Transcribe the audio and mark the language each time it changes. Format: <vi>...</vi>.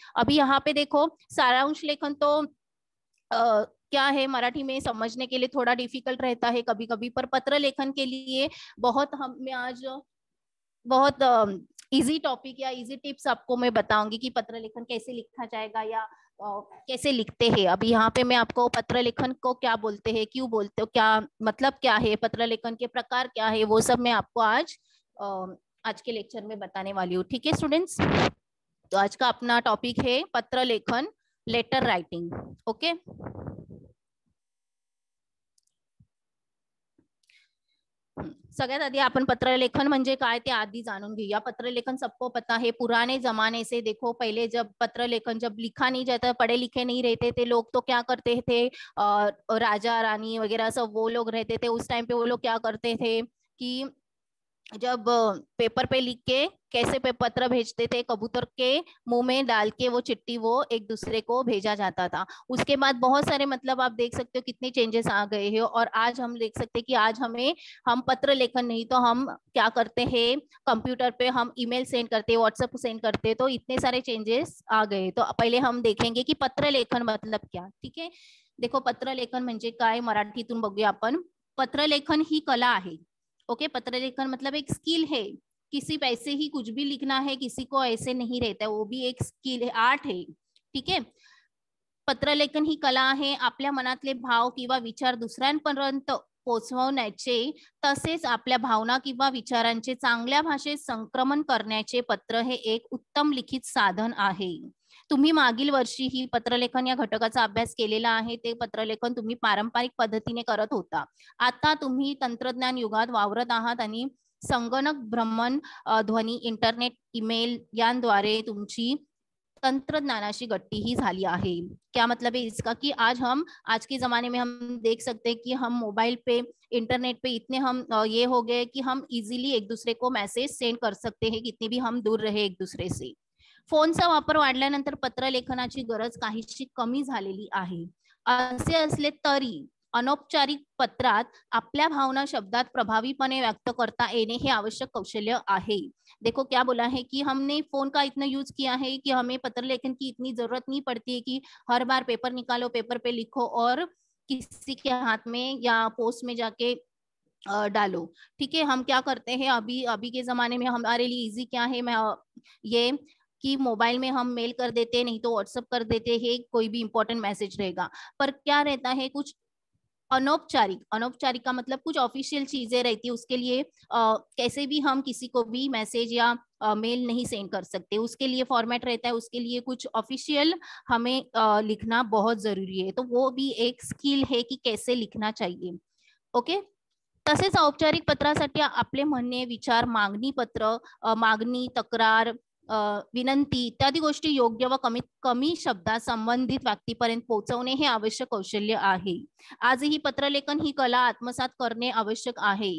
<hi>अभी यहाँ पे देखो सारांश लेखन तो क्या है मराठी में समझने के लिए थोड़ा डिफिकल्ट रहता है कभी कभी, पर पत्र लेखन के लिए बहुत हमें आज बहुत इजी टॉपिक या इजी टिप्स आपको मैं बताऊंगी कि पत्र लेखन कैसे लिखा जाएगा या कैसे लिखते हैं. अभी यहाँ पे मैं आपको पत्र लेखन को क्या बोलते हैं, क्यों बोलते हो, क्या मतलब क्या है, पत्र लेखन के प्रकार क्या है, वो सब मैं आपको आज आज के लेक्चर में बताने वाली हूँ. ठीक है स्टूडेंट्स, तो आज का अपना टॉपिक है पत्र लेखन लेटर राइटिंग.</hi> <mr>ओके सगळ्यात आधी आपण पत्र लेखन म्हणजे काय ते आधी जाणून घेऊया.</mr> <hi>पत्र लेखन सबको पता है पुराने जमाने से. देखो पहिले जब पत्र लेखन जब लिखा नहीं जाता, पढ़े लिखे नहीं रहते थे लोग, तो क्या करते थे, राजा रानी वगैरह सब वो लोग रहते थे उस टाइम पे. वो लोग क्या करते थे कि जब पेपर पे लिख के कैसे पे पत्र भेजते थे, कबूतर के मुंह में डाल के वो चिट्ठी वो एक दूसरे को भेजा जाता था. उसके बाद बहुत सारे मतलब आप देख सकते हो कितने चेंजेस आ गए हैं. और आज हम देख सकते हैं कि आज हमें हम पत्र लेखन नहीं तो हम क्या करते हैं, कंप्यूटर पे हम ईमेल सेंड करते हैं, व्हाट्सएप सेंड करते हैं, तो इतने सारे चेंजेस आ गए. तो पहले हम देखेंगे कि पत्र लेखन मतलब क्या. ठीक है देखो</hi> <mr>पत्र लेखन म्हणजे काय मराठीतून बघूया आपण. पत्र लेखन ही कला आहे.</mr> <hi>ओके पत्र लेखन मतलब एक स्किल है. किसी पैसे ही कुछ भी लिखना है किसी को ऐसे नहीं रहता है, वो भी एक स्किल है, आर्ट है. ठीक है पत्र लेखन ही कला है.</hi> <mr>आपल्या मनातले भाव किंवा विचार दुसऱ्यांपर्यंत पोहोचवण्याचे तसेच आपल्या भावना किंवा विचारांचे चांगल्या भाषेत संक्रमण करण्याचे पत्र हे एक उत्तम लिखित साधन आहे. तुम्ही मागील वर्षी ही पत्रलेखन या घटकाचा अभ्यास केलेला आहे. ते पत्रलेखन तुम्ही पारंपरिक पद्धतीने करत होता, आता तुम्ही तंत्रज्ञान युगात वावरत आहात आणि संगणक भ्रमण ध्वनी इंटरनेट ईमेल यांद्वारे तुमची तंत्रज्ञानाशी गट्टी ही झाली आहे.</mr> <hi>क्या मतलब है इसका कि आज हम आज के जमाने में हम देख सकते हैं कि हम मोबाइल पे इंटरनेट पे इतने हम ये हो गए कि हम इजीली एक दूसरे को मैसेज सेंड कर सकते हैं कितने भी हम दूर रहे एक दूसरे से.</hi> <mr>फोनचा वापर वाढल्यानंतर पत्र लेखनाची गरज काहीशी कमी झालेली आहे. असे असले तरी अनौपचारिक पत्रात आपल्या भावना शब्दात प्रभावीपणे व्यक्त करता येणे हे आवश्यक कौशल्य आहे.</mr> <hi>देखो क्या बोला है कि हमने फोन का इतना यूज किया है कि हमें पत्र लेखन की इतनी जरूरत नहीं पड़ती है कि हर बार पेपर निकालो पेपर पे लिखो और किसी के हाथ में या पोस्ट में जाके डालो. ठीक है हम क्या करते हैं अभी अभी के जमाने में हमारे लिए इजी क्या है, ये कि मोबाइल में हम मेल कर देते हैं, नहीं तो व्हाट्सएप कर देते हैं कोई भी इंपॉर्टेंट मैसेज रहेगा. पर क्या रहता है कुछ अनौपचारिक, अनौपचारिक का मतलब कुछ ऑफिशियल चीजें रहती है उसके लिए कैसे भी हम किसी को भी मैसेज या मेल नहीं सेंड कर सकते. उसके लिए फॉर्मेट रहता है, उसके लिए कुछ ऑफिशियल हमें लिखना बहुत जरूरी है. तो वो भी एक स्किल है कि कैसे लिखना चाहिए.</hi> <mr>ओके तसेच औपचारिक पत्रासाठी आपले म्हणणे विचार मागणी पत्र मागणी तक्रार विनंती इत्यादी गोष्टी योग्य व कमी कमी शब्दात संबंधित व्यक्तीपर्यंत पोहोचवणे हे आवश्यक कौशल्य आहे. आजही पत्रलेखन ही कला आत्मसात करणे आवश्यक आहे.</mr>